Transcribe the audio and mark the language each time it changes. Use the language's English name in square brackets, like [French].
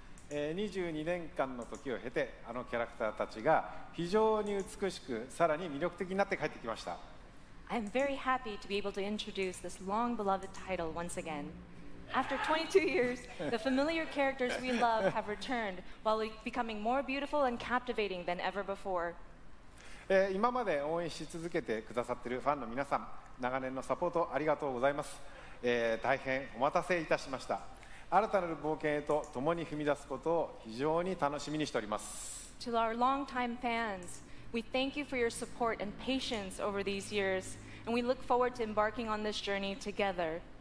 [Japanese] 22年間の時を経て、あのキャラクターたちが非常に美しく、さらに魅力的になって帰ってきました。 [English] I'm very happy to be able to introduce this long beloved title once again. After 22 years, the familiar characters we love have returned while becoming more beautiful and captivating than ever before. [Japanese] 今まで応援し続けてくださっているファンの皆さん、長年のサポートありがとうございます。大変お待たせいたしました。 [English] To our long-time fans, we thank you for your support and patience over these years, and we look forward to embarking on this journey together.